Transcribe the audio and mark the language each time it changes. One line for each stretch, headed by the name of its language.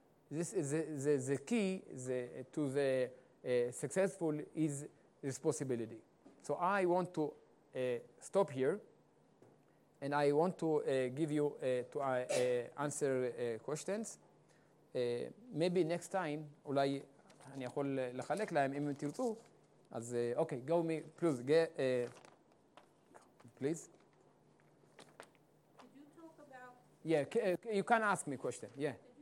English: This is the key to the successful is responsibility. So I want to stop here, and I want to give you answer questions. Maybe next time,
Hebrew: אולי אני יכול לחלק להם אם תרצו.
English: אז okay, go me please. Please. Could you talk about? Yeah, you can ask me question. Yeah.